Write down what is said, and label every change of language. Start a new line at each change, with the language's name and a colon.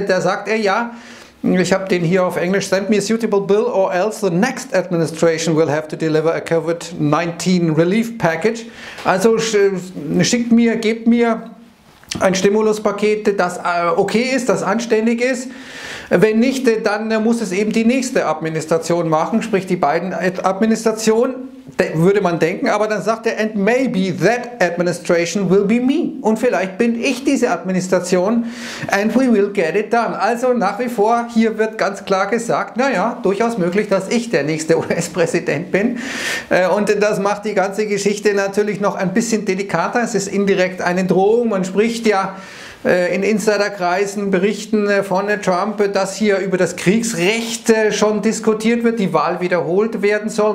German: Da sagt er, ja, ich habe den hier auf Englisch,
English: send me a suitable bill or else the next administration will have to deliver a COVID-19 relief package.
German: Also schickt mir, gebt mir ein Stimuluspaket, das okay ist, das anständig ist. Wenn nicht, dann muss es eben die nächste Administration machen, sprich die Biden-Administration, würde man denken. Aber dann sagt er,
English: and maybe that administration will be me.
German: Und vielleicht bin ich diese Administration
English: and we will get it done.
German: Also nach wie vor, hier wird ganz klar gesagt, naja, durchaus möglich, dass ich der nächste US-Präsident bin. Und das macht die ganze Geschichte natürlich noch ein bisschen delikater. Es ist indirekt eine Drohung. Man spricht ja in Insiderkreisen, Berichten von Trump, dass hier über das Kriegsrecht schon diskutiert wird, die Wahl wiederholt werden soll.